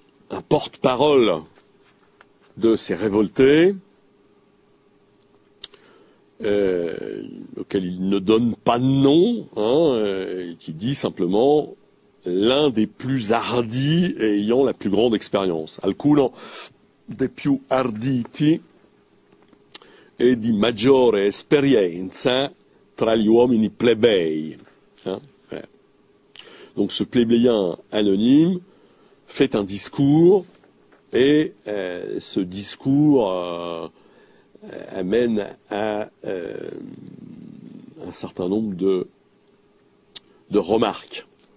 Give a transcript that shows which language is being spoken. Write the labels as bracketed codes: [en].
[fr] un porte-parole de ces révoltés auquel il ne donne pas de nom, qui dit simplement l'un des plus hardis et ayant la plus grande expérience. [it] Alcuno dei più arditi e di maggiore esperienza tra gli uomini plebei. [fr] Donc ce plébéien anonyme fait un discours et ce discours amène à un certain nombre de remarques.